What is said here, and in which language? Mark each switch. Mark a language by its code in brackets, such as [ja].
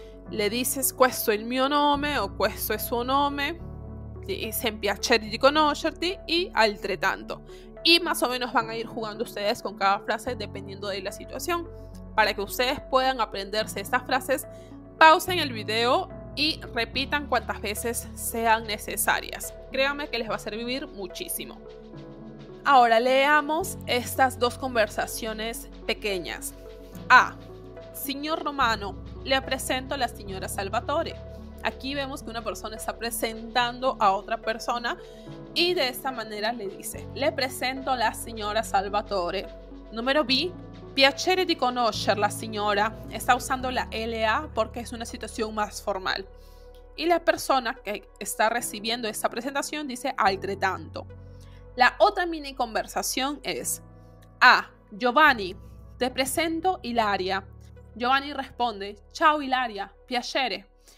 [es] Le dices, [it] questo è il mio nome [es] o [it] questo è suo nome. [es] Ti dicen [it] piacere di conoscerti [es] y altrettanto. Y más o menos van a ir jugando ustedes con cada frase dependiendo de la situación. Para que ustedes puedan aprenderse estas frases, pausen el video y repitan cuantas veces sean necesarias. Créanme que les va a servir muchísimo. Ahora leamos estas dos conversaciones pequeñas. A. Señor Romano, le presento a la señora Salvatore. Aquí vemos que una persona está presentando a otra persona y de esta manera le dice: le presento a la señora Salvatore. Número B. [it] Piacere di conoscerla, signora. [es] Está usando la LA porque es una situación más formal. Y la persona que está recibiendo esta presentación dice altrettanto. La otra mini conversación es: A. Giovanni, te presento Ilaria. Giovanni responde: [it] ciao Ilaria, piacere.